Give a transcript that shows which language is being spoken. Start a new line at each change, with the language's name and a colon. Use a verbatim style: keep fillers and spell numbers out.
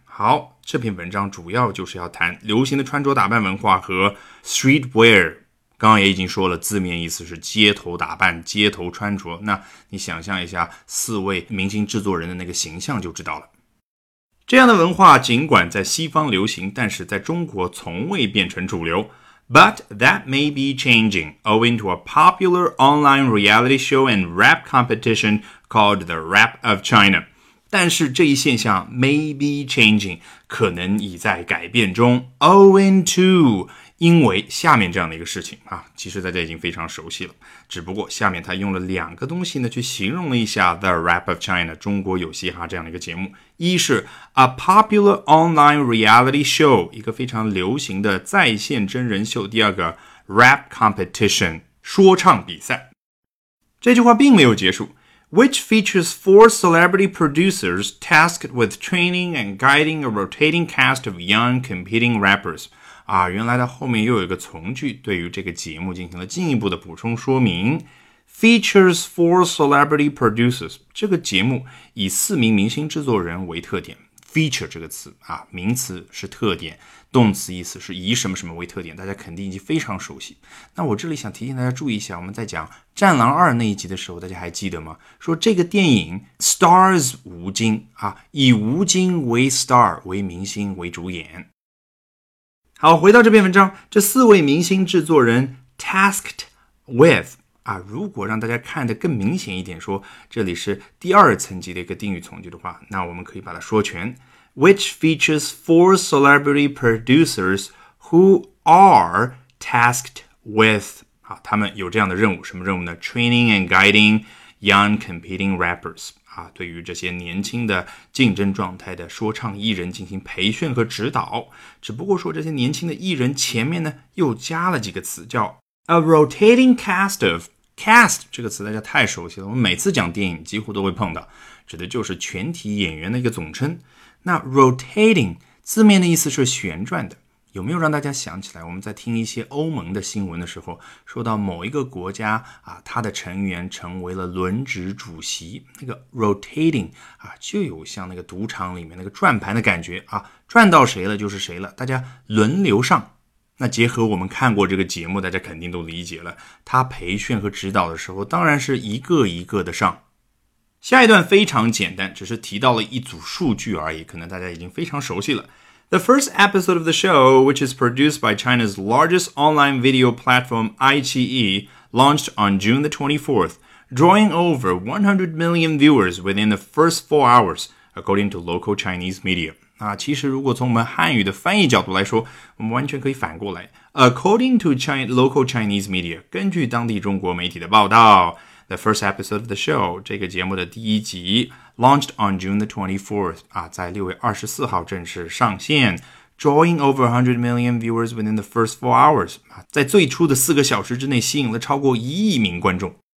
Chinese: 好，这篇文章主要就是要谈流行的穿着打扮文化和 streetwear。刚刚也已经说了，字面意思是街头打扮、街头穿着。那你想象一下四位明星制作人的那个形象就知道了。这样的文化尽管在西方流行，但是在中国从未变成主流。
English: But that may be changing owing to a popular online reality show and rap competition called The Rap of China.
Chinese: 但是这一现象
English: may be changing，
Chinese: 可能已在改变中。
English: Owing to，
Chinese: 因为下面这样的一个事情啊，其实大家已经非常熟悉了。只不过下面他用了两个东西呢，去形容了一下 The Rap of China 中国有嘻哈这样的一个节目。一是
English: a popular online reality show，
Chinese: 一个非常流行的在线真人秀。第二个
English: rap competition，
Chinese: 说唱比赛。这句话并没有结束。
English: Which features four celebrity producers tasked with training and guiding a rotating cast of young competing rappers。
Chinese: 啊，原来的后面又有一个从句，对于这个节目进行了进一步的补充说明。
English: Features four celebrity producers，
Chinese: 这个节目以四名明星制作人为特点。 feature 这个词啊，名词是特点，动词意思是以什么什么为特点，大家肯定已经非常熟悉。那我这里想提醒大家注意一下，我们在讲《战狼二》那一集的时候，大家还记得吗？说这个电影 stars 吴京啊，以吴京为 star 为明星为主演。好，回到这篇文章，这四位明星制作人
English: tasked with。
Chinese: 啊，如果让大家看得更明显一点说，这里是第二层级的一个定语从句的话，那我们可以把它说全。
English: Which features four celebrity producers who are tasked with。
Chinese: 啊，他们有这样的任务，什么任务呢？
English: Training and guiding young competing rappers。
Chinese: 啊，对于这些年轻的竞争状态的说唱艺人进行培训和指导。只不过说这些年轻的艺人前面呢又加了几个词，叫
English: a rotating cast of。
Chinese: Cast 这个词大家太熟悉了，我们每次讲电影几乎都会碰到，指的就是全体演员的一个总称。那 rotating 字面的意思是旋转的，有没有让大家想起来我们在听一些欧盟的新闻的时候，说到某一个国家啊，它的成员成为了轮值主席，那个 rotating 啊，就有像那个赌场里面那个转盘的感觉啊，转到谁了就是谁了，大家轮流上。那结合我们看过这个节目，大家肯定都理解了，他培训和指导的时候当然是一个一个的上。下一段非常简单，只是提到了一组数据而已，可能大家已经非常熟悉了。
English: The first episode of the show, which is produced by China's largest online video platform, iQIYI, launched on June the twenty-fourth, drawing over one hundred million viewers within the first four hours, according to local Chinese media。
Chinese: 啊，其实如果从我们汉语的翻译角度来说，我们完全可以反过来。
English: According to China, local Chinese media，
Chinese: 根据当地中国媒体的报道
English: ，the first episode of the show，
Chinese: 这个节目的第一集
English: ，launched on June the twenty-fourth， 啊，
Chinese: 在六月二十四号正式上线
English: ，drawing over one hundred million viewers within the first four hours， 啊，
Chinese: 在最初的四个小时之内吸引了超过一亿名观众。